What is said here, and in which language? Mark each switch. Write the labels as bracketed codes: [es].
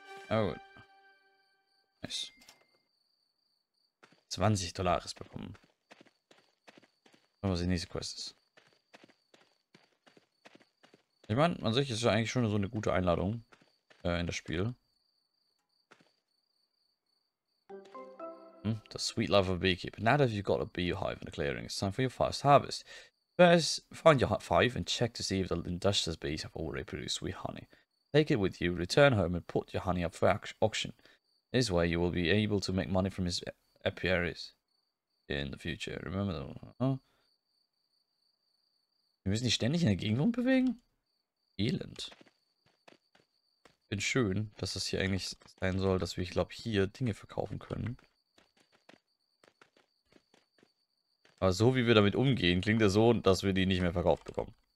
[de] Oh gut. Nice. $20 bekommen. Schauen wir, was die nächste Quest ist. Ich meine, an sich ist ja eigentlich schon so eine gute Einladung in das Spiel. [en] The sweet love of a beekeeper. Now that you've got a beehive in the clearing, it's time for your first harvest. First, find your hive and check to see if the industrious bees have already produced sweet honey. Take it with you, return home and put your honey up for auction. This way you will be able to make money from his apiaries in the future. Remember that? Huh? [de] Wir müssen nicht ständig in der Gegend rumbewegen? Elend. Ich finde schön, dass das hier eigentlich sein soll, dass wir, ich glaube, hier Dinge verkaufen können. Aber so wie wir damit umgehen, klingt es so, dass wir die nicht mehr verkauft bekommen.